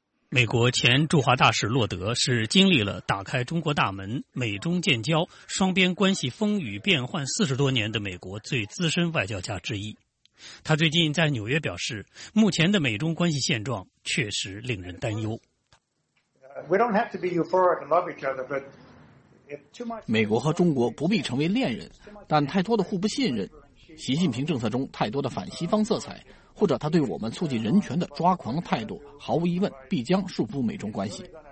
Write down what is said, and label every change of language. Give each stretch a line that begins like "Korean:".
Chinese: 美国前驻华大使洛德是经历了打开中国大门、美中建交、双边关系风雨变幻40多年的美国最资深外交家之一。他最近在纽约表示，目前的美中关系现状确实令人担忧。
English: We don't have to be euphoric and love each other, but...
Chinese: 美国和中国不必成为恋人，但太多的互不信任，习近平政策中太多的反西方色彩，或者他对我们促进人权的抓狂态度，毫无疑问必将束缚美中关系。